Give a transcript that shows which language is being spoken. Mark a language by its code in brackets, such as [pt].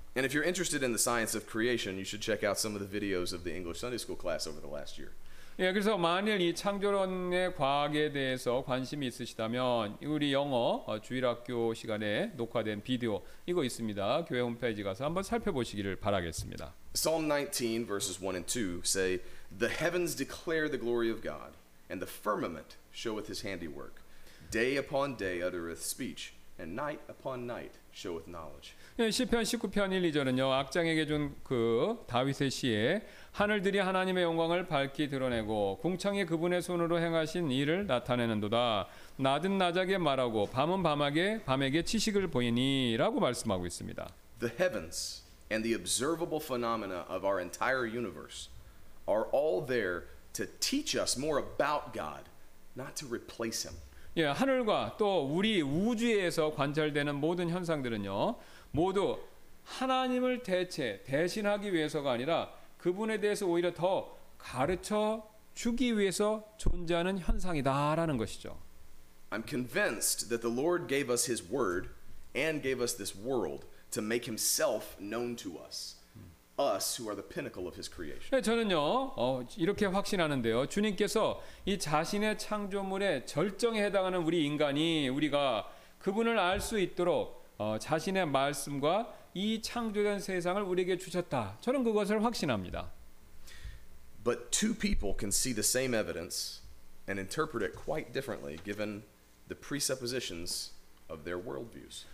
[en] And if you're interested in the science of creation, you should check out some of the videos of the English Sunday School class over the last year. [ko] 예, 그래서 만일 이 창조론의 과학에 대해서 관심이 있으시다면 우리 영어 주일학교 시간에 녹화된 비디오 이거 있습니다. 교회 홈페이지 가서 한번 살펴보시기를 바라겠습니다. [en] Psalm 19 verses 1 and 2 say, The heavens declare the glory of God, and the firmament showeth his handiwork. Day upon day uttereth speech, and night upon night showeth knowledge. [ko] 시편 19편 1, 2절은요 악장에게 준 그 다윗의 시에 하늘들이 하나님의 영광을 밝히 드러내고 궁창이 그분의 손으로 행하신 일을 나타내는도다. 낮은 낮에게 말하고 밤은 밤에게 지식을 보이니라고 말씀하고 있습니다. [en] The heavens and the observable phenomena of our entire universe are all there to teach us more about God, not to replace him. [ko] 예, 하늘과 또 우리 우주에서 관찰되는 모든 현상들은요 모두 하나님을 대신하기 위해서가 아니라 그분에 대해서 오히려 더 가르쳐 주기 위해서 존재하는 현상이다라는 것이죠. [en] I'm convinced that the Lord gave us his word and gave us this world to make himself known to us. Us who are the pinnacle of his creation. [ko] 네, 저는요. 이렇게 확신하는데요. 주님께서 이 자신의 창조물의 절정에 해당하는 우리 인간이 우리가 그분을 알 수 있도록 자신의 말씀과 이 창조된 세상을 우리에게 주셨다. 저는 그것을 확신합니다. [en] But two people can see the same evidence and interpret it quite differently given the presuppositions of their worldviews.